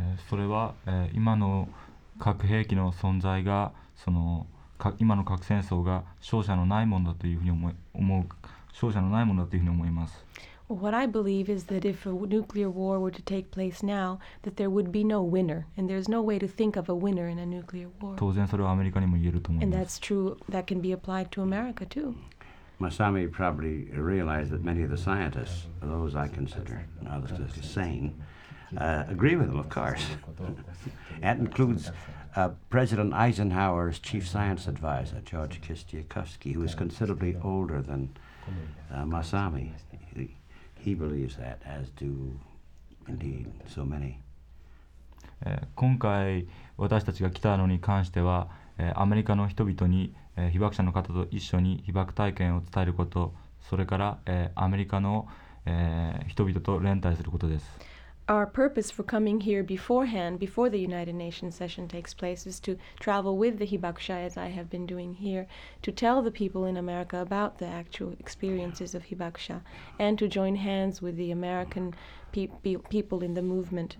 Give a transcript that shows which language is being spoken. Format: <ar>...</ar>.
<ja>それは、今の核兵器の存在がその今の核戦争が勝者のないものだというふうに思う勝者のないものだというふうに思います。</ja> <en>What I believe is that if a nuclear war were to take place now, that there would be no winner, and there's no way to think of a winner in a nuclear war.</en> <ja>当然それはアメリカにも言えると思います。</ja> <en>And that's true, that can be applied to America too. Masami probably realized that many of the scientists, those I consider, and others are sane, agree with him, of course. That includes President Eisenhower's chief science advisor, George Kistiakowsky, who is considerably older than Masami. He believes that, as do indeed so many.</en> <ja>今回私たちが来たのに関しては、アメリカの人々に、被爆者の方と一緒に被爆体験を伝えること、それから、アメリカの、人々と連帯することです。</ja> <en>Our purpose for coming here beforehand, before the United Nations session takes place, is to travel with the Hibakusha, as I have been doing here, to tell the people in America about the actual experiences of Hibakusha, and to join hands with the American people in the movement.</en>